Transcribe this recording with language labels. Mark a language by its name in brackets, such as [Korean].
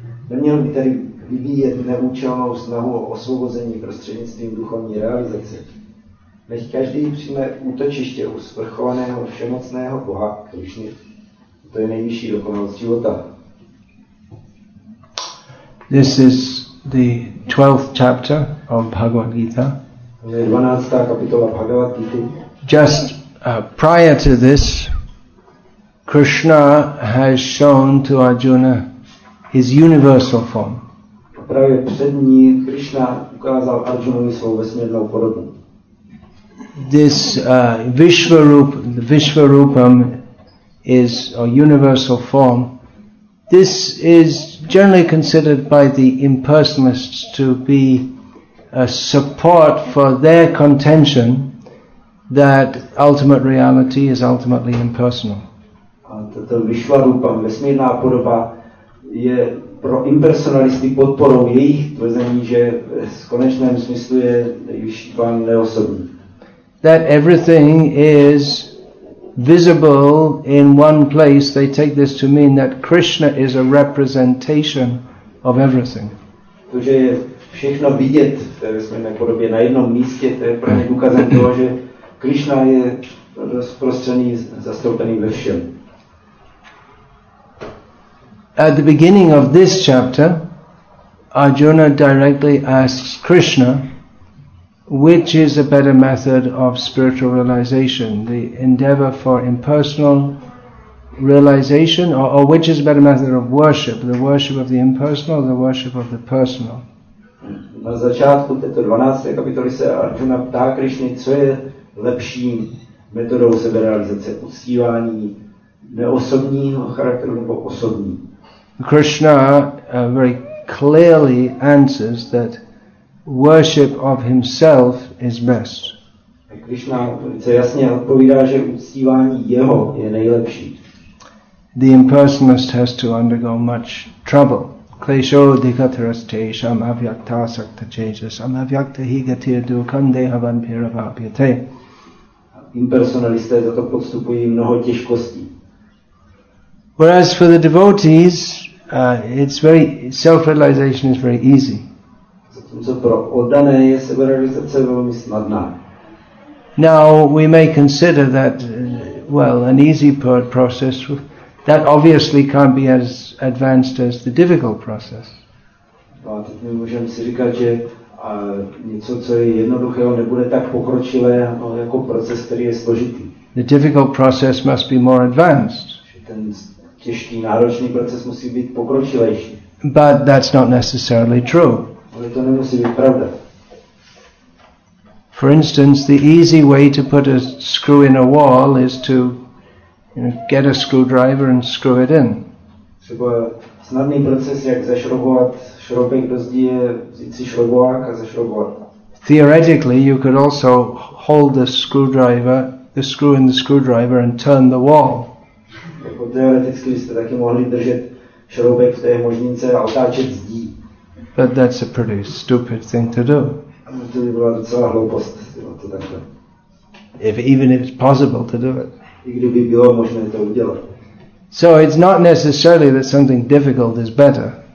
[Czech] Neměl by tedy vyvíjet neúčelnou snahu o osvobození prostřednictvím duchovní realizace. Nech každý přijme útočiště u svrchovaného všemocného Boha Krišny. To je nejvyšší dokonalost života. [English] This is the 12th chapter of Bhagavad Gita. [Czech] To je 12. kapitola Bhagavad Gita. [English] Just prior to this, Krishna has shown to Arjuna his universal form. [Czech] A právě před ní Krishna ukázal Arjunovi svou vesmírnou podobu. [English] This Vishvarupam is a universal form. This is generally considered by the impersonalists to be a support for their contention that ultimate reality is ultimately impersonal. [Czech] Toto Vishvarupa, vesmírná podoba, je pro impersonalisty podporou jejich tvrzení, že v konečném smyslu je nejvyšší pán neosobní. [English] That everything is visible in one place, they take this to mean that Krishna is a representation of everything. [Czech] To, že je všechno vidět v vesmírné podobě na jednom místě, to je právě důkazem toho, že Krishna je rozprostřený, zastoupený ve všem. [English] At the beginning of this chapter, Arjuna directly asks Krishna, which is a better method of spiritual realization, the endeavor for impersonal realization, or which is a better method of worship, the worship of the impersonal, or the worship of the personal? [Czech] Na začátku této 12. kapitoly se Arjuna ptá Krišny, co je lepší metodou seberealizace, uctívání neosobního charakteru nebo osobní. [English] Krishna very clearly answers that worship of himself is best. [Czech] Krishna velice jasně odpovídá, že uctívání jeho je nejlepší. [English] The impersonalist has to undergo much trouble. [Sanskrit] Klesho dikataraschesham avyakta sakta chesham avyakta higatir dukandeha vampiravapyate. [Czech] Impersonalisté za to podstupují mnoho těžkostí. [English] Whereas for the devotees, it's very self-realization is very easy. [Czech] Zatímco pro oddané je seberealizace velmi snadná. [English] Now we may consider that, an easy process that obviously can't be as advanced as the difficult process. [Czech] A teď my můžeme si říkat, že něco, co je jednoduchého, nebude tak pokročilé, no, jako proces, který je složitý. [English] The difficult process must be more advanced. [Czech] Ten těžký, náročný proces musí být pokročilejší. [English] But that's not necessarily true. [Czech] Ale to nemusí být pravda. [English] For instance, the easy way to put a screw in a wall is to, you know, get a screwdriver and screw it in. [Czech] Třeba snadný proces, jak zašroubovat šroubek do zdi, je vzít si šroubovák a zašroubovat. [English] Theoretically, you could also hold the screwdriver, the screw in the screwdriver, and turn the wall. [Czech] Teoreticky byste taky mohli držet šroubek v té možnice a otáčet zdí. [English] But that's a pretty stupid thing to do. [Czech] To by byla docela hloupost, jo, to takhle. [English] Even if it's possible to do it. [Czech] I kdyby bylo možné to udělat. [English] So it's not necessarily that something difficult is better.